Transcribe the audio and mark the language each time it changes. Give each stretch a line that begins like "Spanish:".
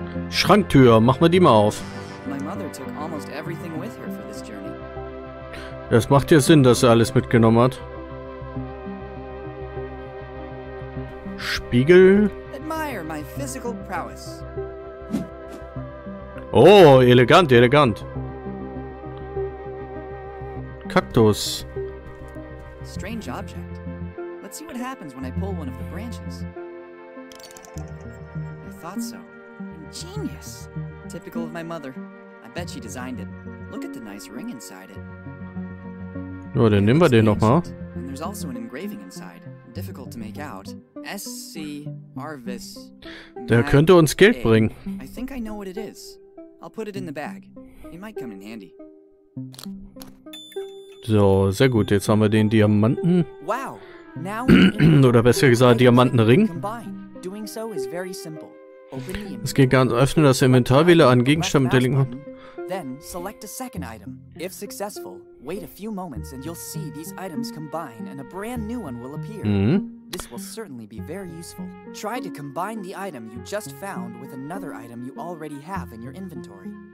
German: Schranktür, machen wir die mal auf.
English: My mother took almost everything with her for this journey.
German: Das macht ja Sinn, dass er alles mitgenommen hat. Spiegel.
English: Admire my physical prowess.
German: Oh, elegant, elegant. Kaktus.
English: Strange object. Let's see what happens when I pull one of the branches. I thought so. Genius. Typical of my mother. I bet she designed it. Look at the nice ring inside it.
German: Ja, dann nehmen wir den nochmal.
English: And there's also an engraving inside. Difficult to make out. S.C. Arvis.
German: Der könnte uns Geld bringen.
English: I think I know what it is. I'll put it in the bag. It might come in handy.
German: So, sehr gut. Jetzt haben wir den Diamanten. Wow. Now oder besser gesagt, Diamantenring.
English: Doing so is very simple.
German: Es geht ganz öffnen das Inventar, wähle einen Gegenstand mit der linken Hand.
English: Then select a second item. If successful, wait a few moments and you'll see these items combine and a brand new one will appear. This will certainly be very useful. Try to combine the item you just found with another item you already have in your inventory.